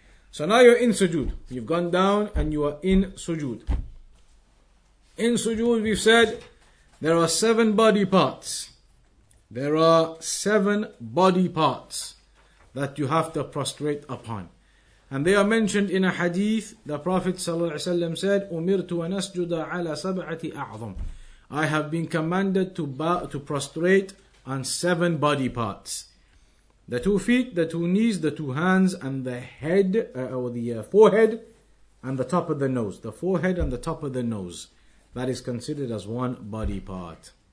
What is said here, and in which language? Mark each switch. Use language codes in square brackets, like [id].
[en] So now you're in sujood. You've gone down and you are in sujood. In sujood, we've said, there are seven body parts. There are seven body parts that you have to prostrate upon. And they are mentioned in a hadith. The Prophet ﷺ said, [ar] أُمِرْتُ وَنَسْجُدَ عَلَى سَبْعَةِ أَعْظَمْ. [en] I have been commanded to prostrate on seven body parts. The two feet, the two knees, the two hands, and the head, forehead, and the top of the nose. The forehead and the top of the nose. That is considered as one body part.